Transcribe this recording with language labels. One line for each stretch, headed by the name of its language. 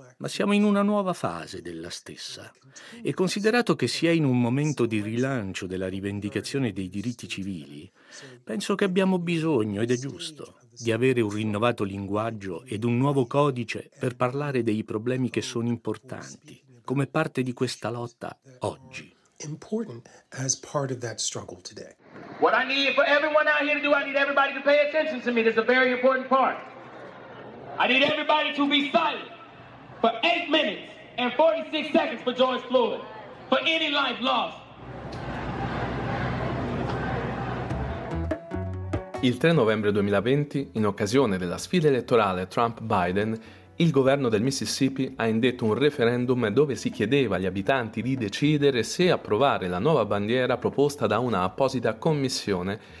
Italian: Ma siamo in una nuova fase della stessa. E considerato che si è in un momento di rilancio della rivendicazione dei diritti civili, penso che abbiamo bisogno, ed è giusto, di avere un rinnovato linguaggio ed un nuovo codice per parlare dei problemi che sono importanti come parte di questa lotta oggi.
English: Important as part of that struggle today. What I need for everyone out here to do, I need everybody to pay attention to me. That's a very important part. I need everybody to be silent for 8 minutes and 46 seconds for George Floyd, for any life lost.
Italian: Il 3 novembre 2020, in occasione della sfida elettorale Trump-Biden, il governo del Mississippi ha indetto un referendum dove si chiedeva agli abitanti di decidere se approvare la nuova bandiera proposta da una apposita commissione